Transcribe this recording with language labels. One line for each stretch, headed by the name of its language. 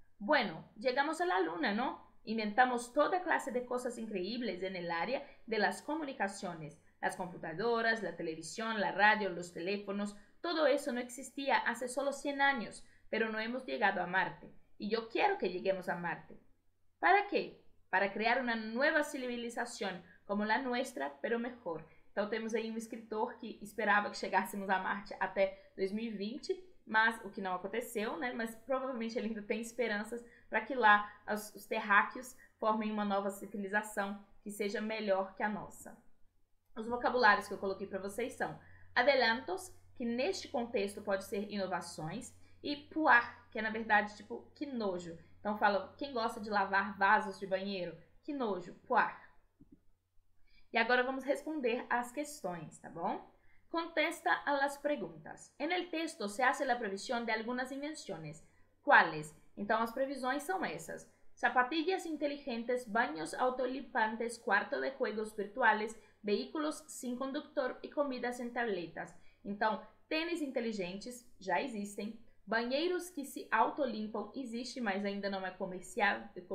Spanish: Bueno, llegamos a la Luna, ¿no? Inventamos toda clase de cosas increíbles en el área de las comunicaciones, las computadoras, la televisión, la radio, los teléfonos, todo eso no existía hace solo 100 años, pero no hemos llegado a Marte, y yo quiero que lleguemos a Marte. ¿Para qué? Para crear una nueva civilización, como la nuestra, pero mejor.
Portuguese: Então temos aí um escritor que esperava que chegássemos a Marte até 2020, mas o que não aconteceu, né? Mas provavelmente ele ainda tem esperanças para que lá os terráqueos formem uma nova civilização que seja melhor que a nossa. Os vocabulários que eu coloquei para vocês são adelantos, que neste contexto pode ser inovações, e puar, que é na verdade tipo que nojo. Então fala, quem gosta de lavar vasos de banheiro? Que nojo, puar. E agora vamos responder às questões, tá bom?
Spanish: Contesta a las preguntas. En el texto se hace la previsión de algunas invenciones. ¿Cuáles?
Portuguese: Então as previsões são essas.
Spanish: Zapatillas inteligentes, baños autolimpantes, cuarto de juegos virtuales, vehículos sin conductor y comidas en tabletas.
Portuguese: Então, tênis inteligentes já existem. Banheiros que se autolimpam existe, mas ainda não é comercial.